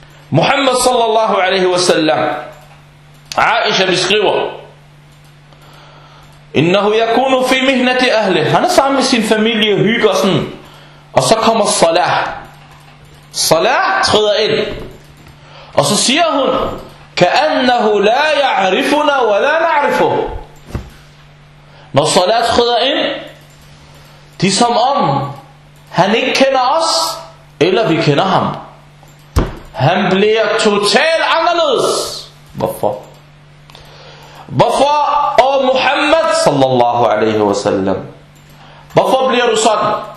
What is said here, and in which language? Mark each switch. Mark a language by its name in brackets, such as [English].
[Danish] Muhammad sallallahu alaihi wa sallam, Aisha beskriver, [Arabic] innahu yakunu fi mihnati ahli. [Danish] Han er sammen med sin familie og hygger sådan, og så kommer salat. Salat træder ind. Og så siger hun, [Arabic] كأنه لا يعرفنا ولا نعرفه. [Danish] Når salat træder ind, det er som om, han ikke kender os, eller vi kender ham. Han bliver totalt anderledes. Hvorfor? Hvorfor, og Muhammad sallallahu alaihi wasallam, hvorfor bliver du sådan?